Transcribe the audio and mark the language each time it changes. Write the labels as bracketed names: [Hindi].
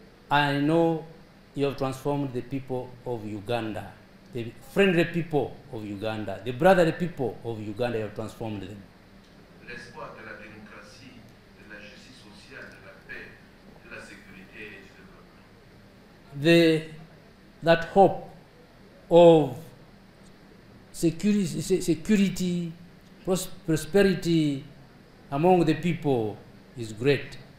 [English] I know you have transformed the people of Uganda, the friendly people of Uganda, the brotherly people of Uganda, you have transformed them. [French] L'espoir de la démocratie, de la justice sociale, de la paix, de la sécurité et du développement. [English] That hope of security, prosperity among the people is great.